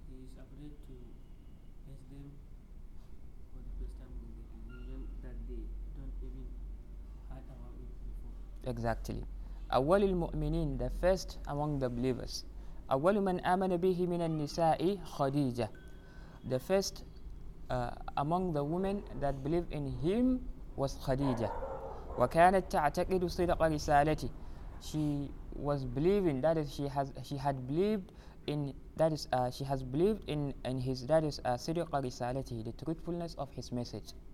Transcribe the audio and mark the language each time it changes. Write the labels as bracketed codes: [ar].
[en] He is afraid to ask them for the first time in the religion that they don't even heard about it before. Exactly. [ar] أول المؤمنين, [en] the first among the believers. [ar] أول من آمن به من النساء خديجة. [en] The first among the women that believed in him was خديجة. [ar] وكانت تعتقد صدق رسالته. [en] She was believing, that is, she has believed in his sidqa risalatihi, the truthfulness of his message.